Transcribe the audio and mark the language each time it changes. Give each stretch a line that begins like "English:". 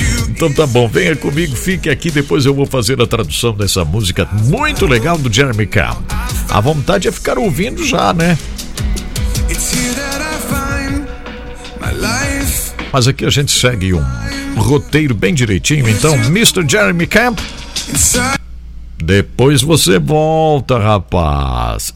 Portuguese: Então tá bom, venha comigo, fique aqui, depois eu vou fazer a tradução dessa música muito legal do Jeremy Camp. A vontade é ficar ouvindo já, né?
English: It's here that I find my life.
Portuguese: Mas aqui a gente segue um roteiro bem direitinho. Então, Mr. Jeremy Camp, depois você volta, rapaz.